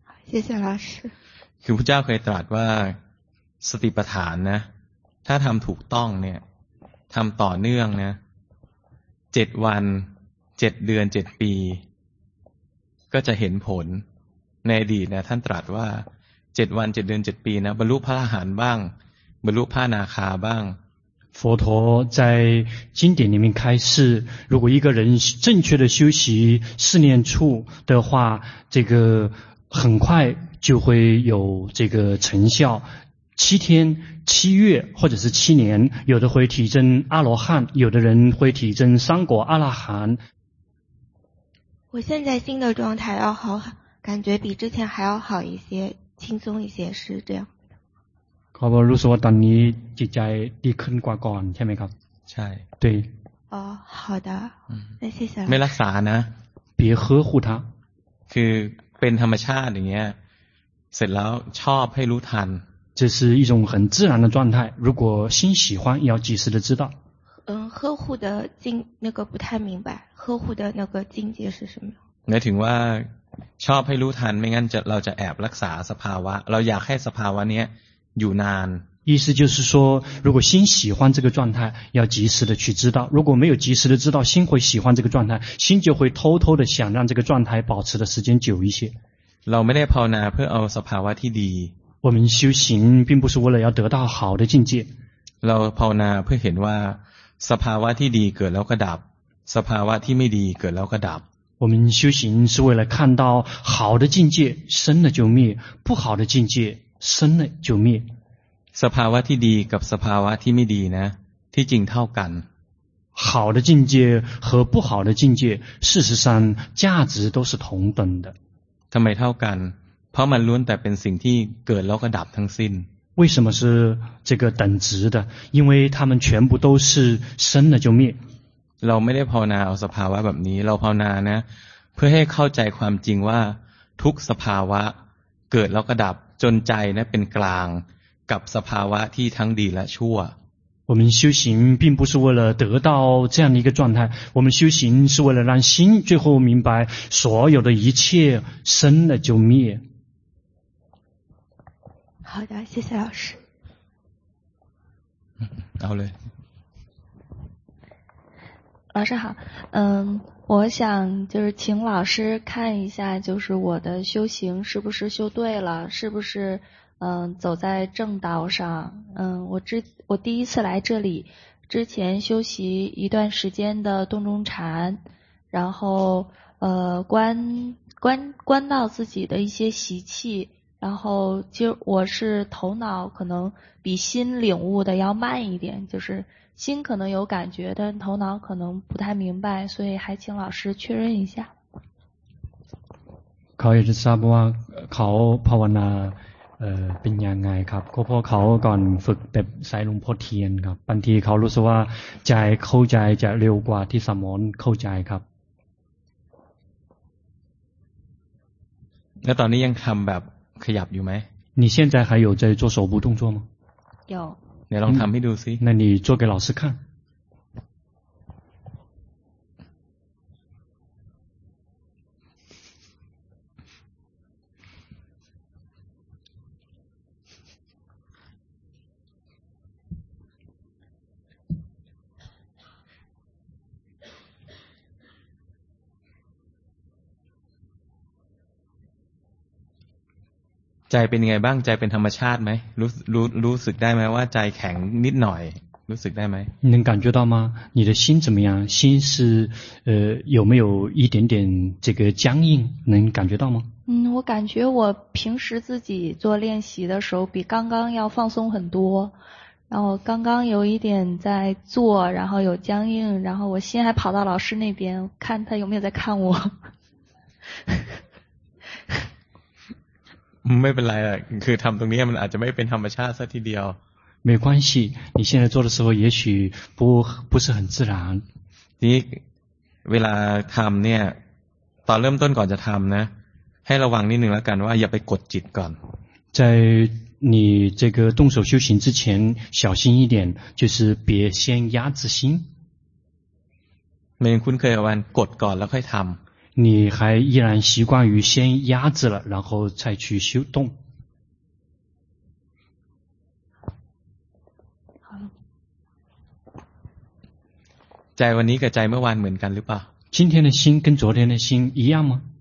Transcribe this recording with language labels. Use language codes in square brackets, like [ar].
[zh] 谢谢老师。 [th] คือพระเจ้าเคยตรัสว่าสติปัฏฐานนะถ้าทำถูกต้องเนี่ยทำต่อเนื่องนะ7วัน7เดือน7ปีก็จะเห็นผลในอดีตนะท่านตรัสว่า7วัน7เดือน7ปีนะบรรลุพระอรหันต์บ้างบรรลุพระอนาคามีบ้าง [zh] 佛陀在经典里面开示，如果一个人正确的修习四念处的话，这个很快就会有这个成效，七天、七月或者是七年，有的会体证阿罗汉，有的人会体证三果阿拉含。我现在新的状态要好，感觉比之前还要好一些，轻松一些，是这样。 [th] ครับ รู้สึกว่าตอนนี้จิตใจดีขึ้นกว่าก่อนใช่ไหมครับ ใช่ [zh] 对。哦，好的。嗯。那谢谢了。没拉撒呢？别呵护他。 [th] คือเป็นธรรมชาติอย่างเงี้ยเสร็จแล้วชอบให้รู้ทัน [zh] 这是一种很自然的状态如果心喜欢要及时的知道嗯呵护的境那个不太明白呵护的那个境界是什么 [th] หมายถึงว่าชอบให้รู้ทันไม่งั้นเราจะแอบรักษาสภาวะเราอยากให้สภาวะนี้อยู่นาน [zh] 意思就是说如果心喜欢这个状态要及时的去知道如果没有及时的知道心会喜欢这个状态心就会偷偷的想让这个状态保持的时间久一些 [th] เราไม่ได้ภาวนาเพื่อเอาสภาวะที่ดี [zh] 我们修行并不是为了要得到好的境界 [th] เราภาวนาเพื่อเห็นว่าสภาวะที่ดีเกิดแล้วก็ดับสภาวะที่ไม่ดีเกิดแล้วก็ดับ [zh] 我们修行是为了看到好的境界生了就灭不好的境界生了就灭 [th] สภาวะที่ดีกับสภาวะที่ไม่ดีนะที่จริงเท่ากัน [zh] 好的境界和不好的境界事实上价值都是同等的 [th] ทำไมเท่ากันเพราะมันล้วนแต่เป็นสิ่งที่เกิดแล้วก็ดับทั้งสิ้น [zh] 为什么是这个等值的因为他们全部都是生了就灭 [th] เราไม่ได้ภาวนาเอาสภาวะแบบนี้เราภาวนานะเพื่อให้เข้าใจความจริงว่าทุกสภาวะเกิดแล้วก็ดับจนใจนะเป็นกลางกับสภาวะที่ทั้งดีและชั่ว [zh] 我们修行并不是为了得到这样的一个状态我们修行是为了让心最后明白所有的一切生了就灭好的谢谢老师好嘞老师好嗯，我想就是请老师看一下就是我的修行是不是修对了是不是走在正道上。我第一次来这里，之前休息一段时间的洞中禅，然后观到自己的一些习气，然后就我是头脑可能比心领悟的要慢一点，就是心可能有感觉，但头脑可能不太明白，所以还请老师确认一下。 [th] เขาอยากจะทราบว่าเขาภาวนาเป็นยังไงครับก็เพราะเขาก่อนฝึกแบบใส่ลงพ่อเทียนครับบางทีเขารู้สึกว่าใจเข้าใจจะเร็วกว่าที่สมองเข้าใจครับ แล้วตอนนี้ยังทำแบบขยับอยู่ไ หม [zh] 你现在还有在做手部动作吗有你 [th] ลองทำให้ดูสิ [zh] 那你做给老师看 [th] ใจเป็นยังไงบ้างใจเป็นธรรมชาติไหมรู้สึกได้ไหมว่าใจแข็งนิดหน่อยรู้สึกได้ไ หม [zh] 能感觉到吗你的心怎么样心是有没有一点点这个僵硬能感觉到吗我感觉我平时自己做练习的时候比刚刚要放松很多然后刚刚有一点在做然后有僵硬然后我心还跑到老师那边看他有没有在看我 [th] ไม่เป็นไรคือทำตรงนี้มันอาจจะไม่เป็นธรรมชาติซะทีเดียว [zh] 没关系你现在做的时候也许不是很自然 [th] นี่เวลาทำเนี่ยตอนเริ่มต้นก่อนจะทำนะให้ระวังนิดนึงแล้วกันว่าอย่าไปกดจิตก่อน [zh] 在你这个动手修行之前小心一点就是别先压制心 [th] ไม่งั้นคุณเคยเอาวันกดก่อนแล้วค่อยทำ [zh] 你还依然习惯于先压制了然后再去修动在 [th] วันนี้กับใจเมื่อวานเหมือนกันหรือเปล่า [zh] 今天的心跟昨天的心一样吗